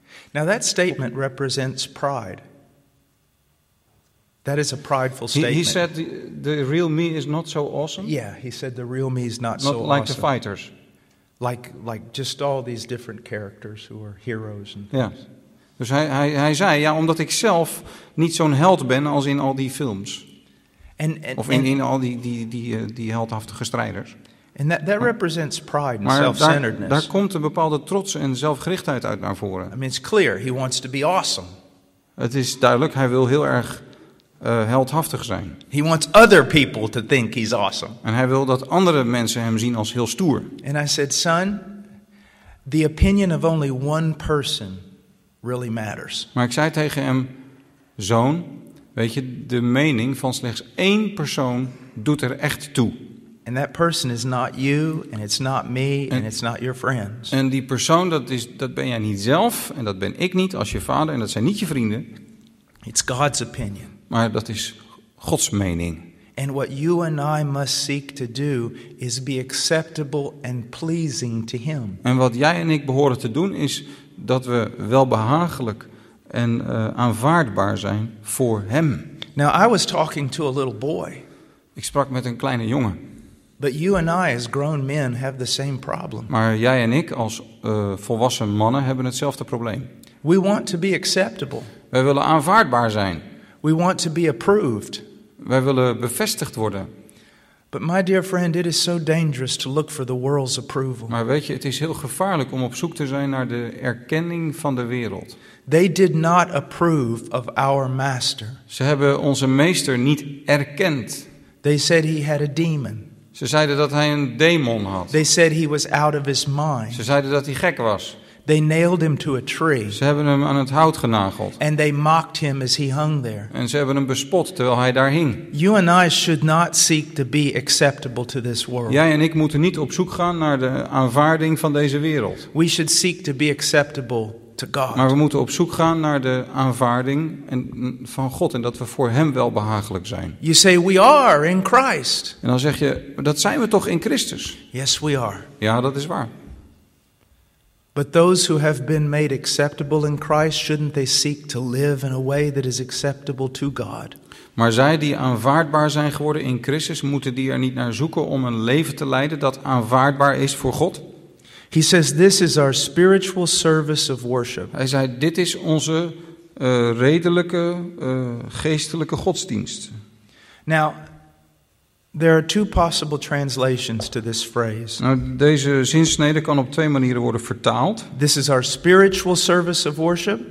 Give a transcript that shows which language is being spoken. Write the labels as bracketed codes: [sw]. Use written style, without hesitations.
[en] Now that statement represents pride. That is a prideful statement. He said the real me is not so awesome. Yeah, he said the real me is not so like awesome. Like the fighters. Like just all these different characters who are heroes and things. Yeah. [nl] Dus hij zei, ja, omdat ik zelf niet zo'n held ben als in al die films. Of in al die heldhaftige strijders. [en] And that represents pride and self-centeredness. [nl] Maar daar komt een bepaalde trots en zelfgerichtheid uit naar voren. [en] I mean, it's clear he wants to be awesome. [nl] Het is duidelijk, hij wil heel erg heldhaftig zijn. [en] He wants other people to think he's awesome. [nl] En hij wil dat andere mensen hem zien als heel stoer. [en] And I said, son, the opinion of only one person really matters. [nl] Maar ik zei tegen hem, zoon, weet je, de mening van slechts één persoon doet er echt toe. [en] And that person is not you, and it's not me, and it's not your friends. [nl] En die persoon, dat ben jij niet zelf, en dat ben ik niet als je vader, en dat zijn niet je vrienden. [en] It's God's opinion. [nl] Maar dat is Gods mening. [en] And what you and I must seek to do is be acceptable and pleasing to Him. [nl] En wat jij en ik behoren te doen is dat we welbehagelijk en aanvaardbaar zijn voor Hem. [en] Now I was talking to a little boy. [nl] Ik sprak met een kleine jongen. [en] But you and I, as grown men, have the same problem. [nl] Maar jij en ik, als volwassen mannen, hebben hetzelfde probleem. [en] We want to be acceptable. [nl] Wij willen aanvaardbaar zijn. [en] We want to be approved. [nl] Wij willen bevestigd worden. [en] But my dear friend, it is so dangerous to look for the world's approval. [nl] Maar weet je, het is heel gevaarlijk om op zoek te zijn naar de erkenning van de wereld. [en] They did not approve of our master. [nl] Ze hebben onze meester niet erkend. [en] They said he had a demon. [nl] Ze zeiden dat hij een demon had. [en] They said he was out of his mind. [nl] Ze zeiden dat hij gek was. [en] They nailed him to a tree. [nl] Ze hebben hem aan het hout genageld. [en] And they mocked him as he hung there. [nl] En ze hebben hem bespot terwijl hij daar hing. [en] You and I should not seek to be acceptable to this world. [nl] Jij en ik moeten niet op zoek gaan naar de aanvaarding van deze wereld. [en] We should seek to be acceptable to God. [nl] Maar we moeten op zoek gaan naar de aanvaarding van God en dat we voor Hem wel behagelijk zijn. [en] You say we are in Christ. [nl] En dan zeg je, dat zijn we toch in Christus? [en] Yes, we are. [nl] Ja, dat is waar. [en] But those who have been made acceptable in Christ, shouldn't they seek to live in a way that is acceptable to God? [nl] Maar zij die aanvaardbaar zijn geworden in Christus, moeten die er niet naar zoeken om een leven te leiden dat aanvaardbaar is voor God? [en] He says this is our spiritual service of worship. [nl] Hij zei, dit is onze redelijke geestelijke godsdienst. [en] Now, there are two possible translations to this phrase. [nl] Nou, deze zinsnede kan op twee manieren worden vertaald. [en] This is our spiritual service of worship.